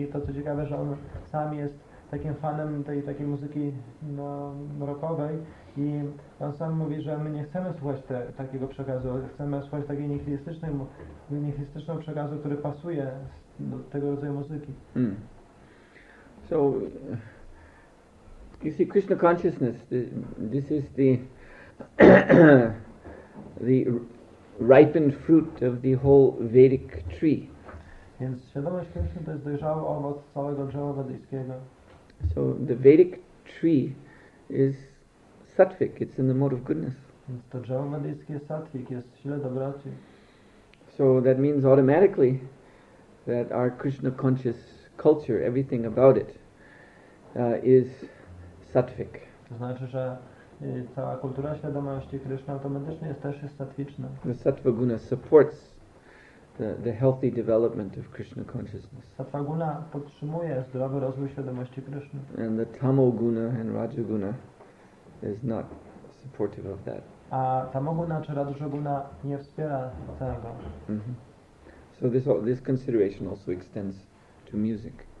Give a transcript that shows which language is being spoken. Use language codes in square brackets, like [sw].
[pl] I to co ciekawe, że on sam jest takim fanem takiej muzyki rockowej i on sam mówi, że my nie chcemy słuchać takiego przekazu, chcemy słuchać takiej nihilistycznego przekazu, który pasuje do tego rodzaju muzyki. Mm. [en] So, you see, Krishna consciousness, this is the the ripened fruit of the whole Vedic tree. [pl] Więc świadomość Krishna to jest dojrzały owoc całego drzewa wedyjskiego. [en] So the Vedic tree is sattvic, it's in the mode of goodness. [pl] To drzewo wedyjskie jest sattvic, jest w sile dobroci. [en] So that means automatically that our Krishna conscious culture, everything about it, is sattvic. [pl] To znaczy, że cała kultura świadomości Krishna automatycznie jest też sattwiczna. [en] The sattva guna supports the healthy development of Krishna consciousness. [pl] Sattva guna podtrzymuje zdrowy rozwój świadomości Krishna. [en] And the tamoguna and rajoguna is not supportive of that. [pl] A tamoguna czy rajoguna nie wspiera tego. Mm-hmm. [en] So this consideration also extends to music.